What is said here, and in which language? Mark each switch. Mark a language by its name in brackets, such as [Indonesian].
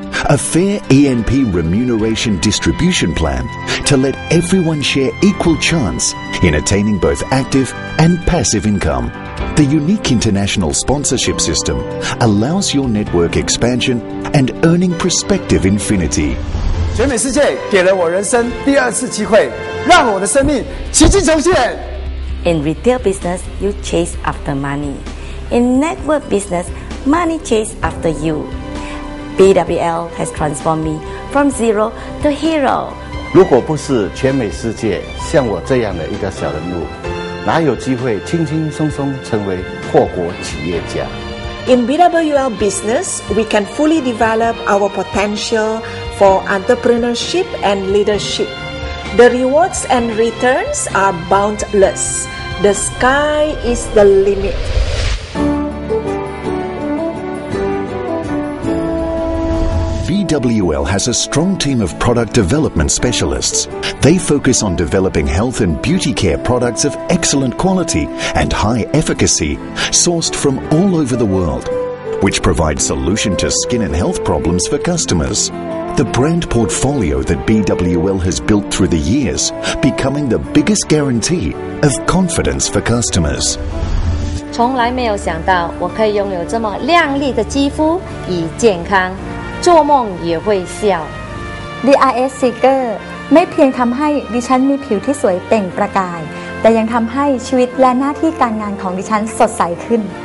[English] A fair ENP remuneration distribution plan to let everyone share equal chance in attaining both active and passive income. The unique international sponsorship system allows your network expansion and earning perspective infinity. [Chinese] 全美世界给了我人生第二次机会，让我的生命奇迹重现。 [English] In retail business, you chase after money. In network business, money chase after you. BWL has transformed me from zero to hero. [Chinese] 如果不是全美世界像我这样的一个小人物，哪有机会轻轻松松成为破国企业家？ [English] In BWL business, we can fully develop our potential for entrepreneurship and leadership. The rewards and returns are boundless. The sky is the limit. BWL has a strong team of product development specialists. They focus on developing health and beauty care products of excellent quality and high efficacy, sourced from all over the world, which provide solution to skin and health problems for customers. The brand portfolio that BWL has built through the years, becoming the biggest guarantee of confidence for customers. [Chinese] 从来没有想到我可以拥有这么亮丽的肌肤与健康。做梦也会笑 [Thai] The IS Seeker ไม่เพียงทำให้ดิฉันมีผิวที่สวยเปล่งประกายแต่ยังทำให้ชีวิตและหน้าที่การงานของดิฉันสดใสขึ้น